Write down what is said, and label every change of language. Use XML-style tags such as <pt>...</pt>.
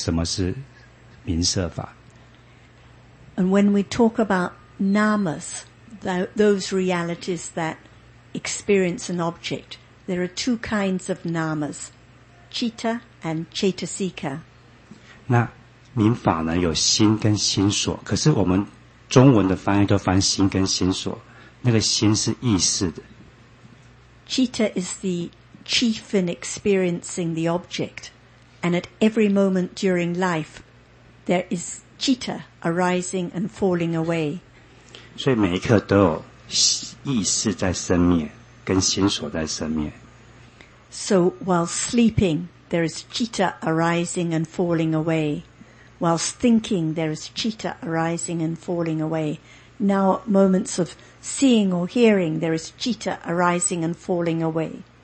<zh>所以我们再回来看一下什么是不能经验的，那一样是名色法的色法，刚刚举例的声音啊、色尘啊，这些是什么都不知道的。我们再回来看这个什么是名色法。</zh> <en>And when we talk about namas, those realities that experience an object, there are two kinds of namas, citta and cetasika.</en> <zh>那名法呢，有心跟心所，可是我们中文的翻译都翻心跟心所，那个心是意识的。Citta</zh> <en>is the chief in experiencing the object, and at every moment during life, there is citta arising and falling away.</en> <zh>所以每一刻都有意识在生灭，跟心所在生灭。</zh> <en>So while sleeping, there is citta arising and falling away. Whilst thinking, there is citta arising and falling away. Now at moments of seeing or hearing, there is citta arising and falling away.</en>